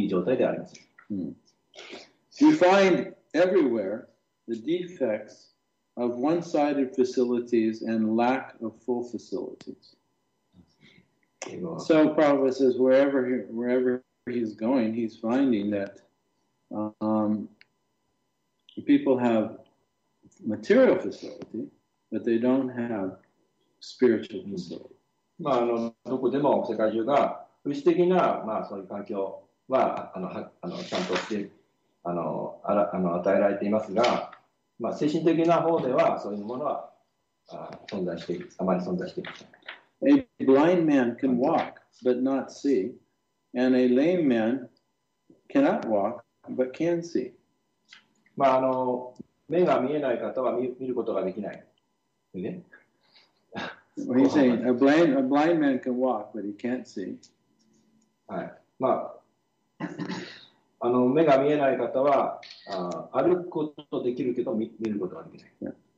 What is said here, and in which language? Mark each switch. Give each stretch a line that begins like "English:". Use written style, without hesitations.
English: You find everywhere the defects of one-sided facilities and lack of full facilities. So Prabhupada says wherever he's going, he's finding that people have material facility, but they don't have spiritual facility.
Japanese: どこでも世界中が物質的な環境は与えられていますがまあ、精神的な方ではそういうものは存在して、あまり存在していません。
English: A blind man can walk but not see, and a lame man cannot walk but can see.
Japanese: まあ、あの目が見えない方は 見ることができない。ね。
English: What are you saying? A blind man can walk, but he can't see.
Japanese: はい。まあ、あの目が見えない方は歩くことができるけど 見ることができない。